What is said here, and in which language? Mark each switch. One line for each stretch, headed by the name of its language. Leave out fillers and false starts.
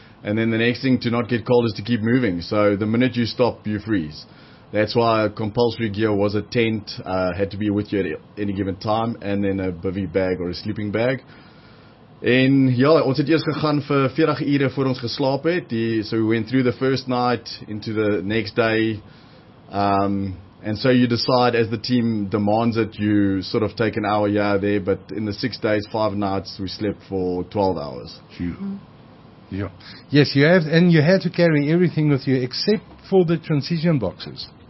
English: And then the next thing to not get cold is to keep moving. So the minute you stop, you freeze. That's why compulsory gear was a tent, had to be with you at any given time, and then a bivy bag or a sleeping bag.
Afrikaans: En ja, ons het eers gegaan vir 40 ure voor ons geslaap het.
English: So we went through the first night into the next day. And so you decide as the team demands it, you sort of take an hour here or there, but in the 6 days, 5 nights, we slept for 12 hours. Yeah. Yes, you have, and you had to carry everything with you except for the transition boxes.